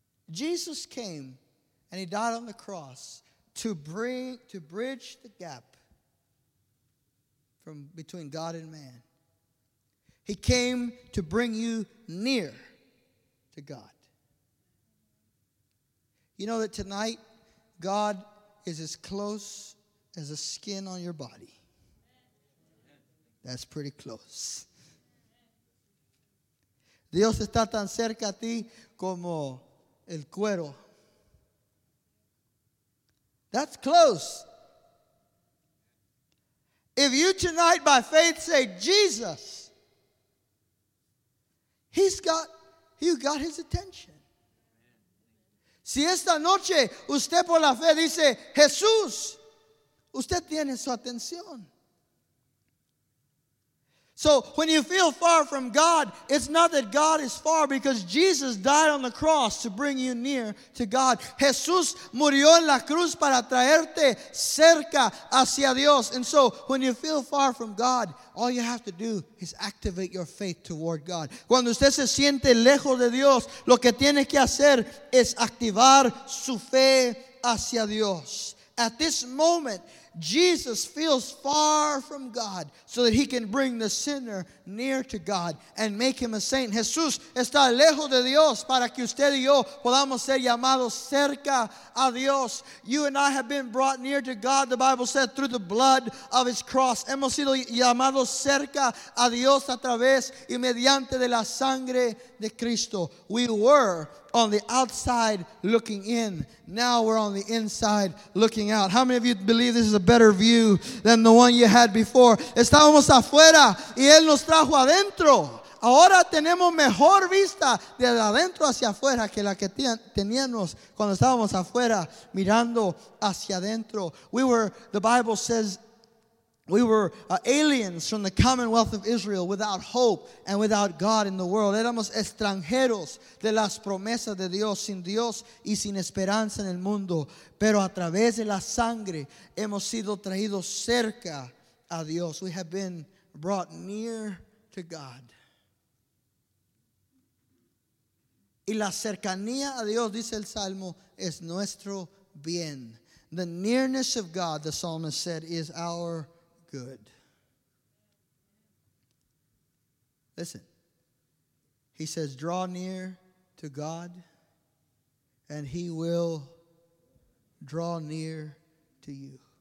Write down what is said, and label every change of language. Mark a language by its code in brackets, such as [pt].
[en] Jesus came and he died on the cross to bridge the gap from between God and man. He came to bring you near to God. You know that tonight, God is as close as the skin on your body. That's pretty close. [es] Dios está tan cerca a ti como el cuero. [en] That's close. If you tonight by faith say, "Jesus," you got his attention. [es] Si esta noche usted por la fe dice, "Jesús," usted tiene su atención. [en] So when you feel far from God, it's not that God is far, because Jesus died on the cross to bring you near to God. [es] Jesús murió en la cruz para traerte cerca hacia Dios. [en] And so when you feel far from God, all you have to do is activate your faith toward God. [es] Cuando usted se siente lejos de Dios, lo que tiene que hacer es activar su fe hacia Dios. [en] At this moment, Jesus feels far from God so that he can bring the sinner near to God and make him a saint. [es] Jesús está lejos de Dios para que usted y yo podamos ser llamados cerca a Dios. [en] You and I have been brought near to God, the Bible said, through the blood of his cross. [es] Hemos sido llamados cerca a Dios a través y mediante de la sangre de Cristo. [en] We were on the outside looking in. Now we're on the inside looking out. How many of you believe this is a better view than the one you had before? [es] Estábamos afuera y él nos trajo adentro. Ahora tenemos mejor vista de adentro hacia afuera que la que teníamos cuando estábamos afuera mirando hacia adentro. [en] The Bible says we were aliens from the commonwealth of Israel, without hope and without God in the world. [es] Éramos extranjeros de las promesas de Dios, sin Dios y sin esperanza en el mundo. Pero a través de la sangre hemos sido traídos cerca a Dios. [en] We have been brought near to God. [es] Y la cercanía a Dios, dice el Salmo, es nuestro bien. [en] The nearness of God, the psalmist said, is our good. Listen, he says, "Draw near to God, and he will draw near to you."